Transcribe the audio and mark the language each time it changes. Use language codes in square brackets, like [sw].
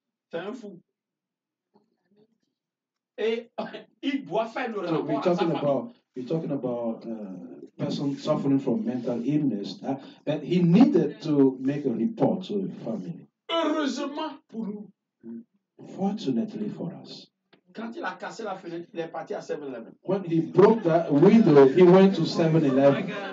[fr] C'est un fou. Et il doit faire le rapport. [en] We're talking about a person suffering from mental illness that he needed to make a report to the family. [fr] Heureusement pour nous. [en] Fortunately for us. [fr] Quand il a cassé la fenêtre, il est parti à 7-Eleven. [en] When he broke that window, he went to 7-Eleven.